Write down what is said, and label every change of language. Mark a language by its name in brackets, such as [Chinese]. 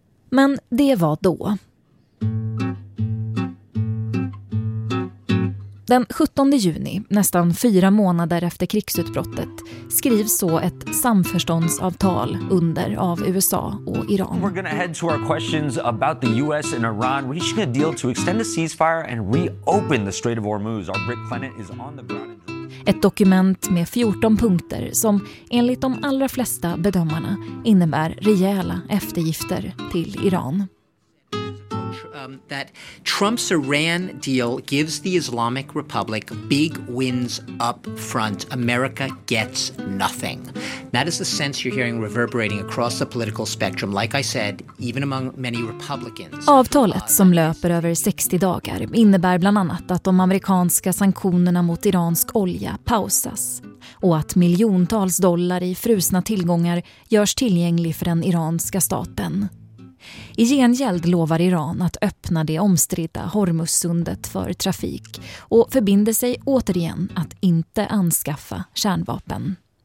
[Swedish] Men det var då. Den 17 juni, nästan 4 månader efter krigsutbrottet, skrivs så ett samförståndsavtal under av USA och Iran. [English] We're going to head to our questions about the US and Iran reaching a deal to extend the ceasefire and reopen the Strait of Hormuz. Our Brit Clement is on the ground. [Swedish] Ett dokument med 14 punkter som enligt de allra flesta bedömarna innebär rejäla eftergifter till Iran. [English] That Trump's Iran deal gives the Islamic Republic big wins up front. America gets nothing. That is the sense you're hearing reverberating across the political spectrum, like I said, even among many Republicans. [Swedish] Avtalet som löper över 60 dagar innebär bland annat att de amerikanska sanktionerna mot iransk olja pausas och att miljontals dollar i frusna tillgångar görs tillgänglig för den iranska staten. I gengäld lovar Iran att öppna det omstridda Hormuzsundet för trafik och förbinder sig återigen att inte anskaffa kärnvapen.